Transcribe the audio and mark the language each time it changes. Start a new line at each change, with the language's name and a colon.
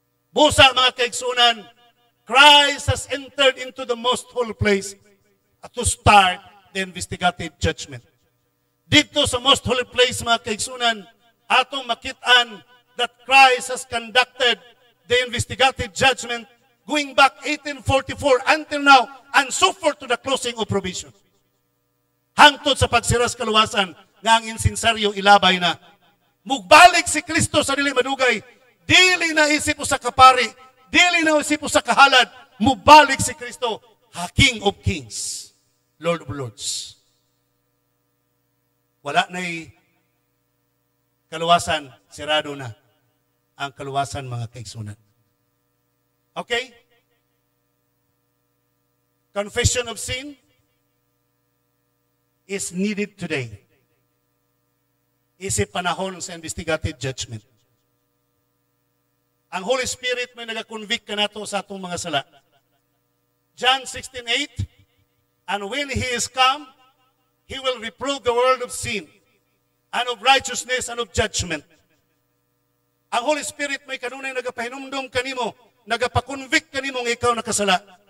Cebuano: Busa, mga kaigsunan,
English: Christ has entered into the most holy place to start the investigative judgment.
Cebuano: Dito sa
English: most holy place,
Cebuano: mga kaigsunan, atong makitaan
English: that Christ has conducted the investigative judgment going back 1844 until now and so forth to the closing of probation.
Cebuano: Hangtod sa pagsiras kaluwasan nga ang insinsaryo ilabay na. Mugbalik si Kristo sa dili madugay, dili na isip usa ka pari, dili na isip usa ka halad, mugbalik si Kristo, ha
English: King of Kings, Lord of Lords.
Cebuano: Wala na'y kaluwasan, sirado na ang kaluwasan mga kaigsunan.
English: Okay? Confession of sin is needed today.
Cebuano: Isip panahon sa investigative judgment. Ang Holy Spirit may nag-convict ka na to sa itong mga sala.
English: John 16:8, and when He is come, He will reprove the world of sin and of righteousness and of judgment.
Cebuano: Ang Holy Spirit may kanunay nagapahinumdom kanimo, nagapakonvict kanimo ng ikaw na kasala.